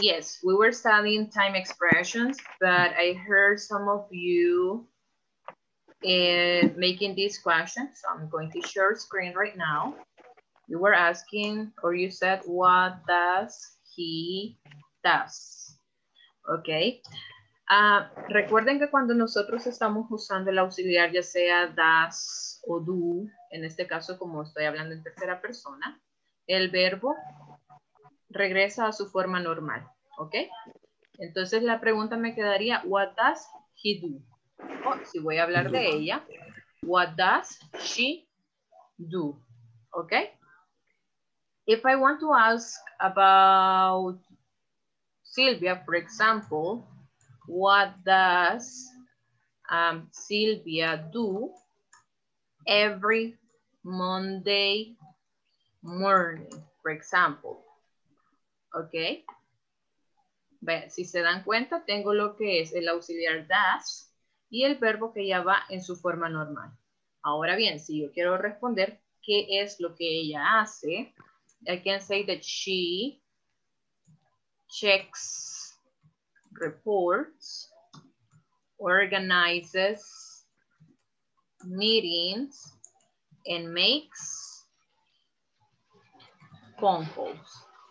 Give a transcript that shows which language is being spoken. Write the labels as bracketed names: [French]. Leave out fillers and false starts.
[English] Yes, we were studying time expressions, but I heard some of you making this question. So I'm going to share screen right now. You were asking, or you said, what does he does? Okay. [Spanish] Recuerden que cuando nosotros estamos usando el auxiliar, ya sea does o do, en este caso como estoy hablando en tercera persona, el verbo regresa a su forma normal, ¿ok? Entonces la pregunta me quedaría, [English] what does he do? [Spanish] O si voy a hablar de ella, [English] what does she do? [Spanish] ¿Ok? [English] If I want to ask about Silvia, for example, what does Silvia do every Monday morning, for example? Okay. [Spanish] Bueno, si se dan cuenta, tengo lo que es el auxiliar does y el verbo que ya va en su forma normal. Ahora bien, si yo quiero responder qué es lo que ella hace, [English] I can say that she checks reports, organizes meetings, and makes phone calls.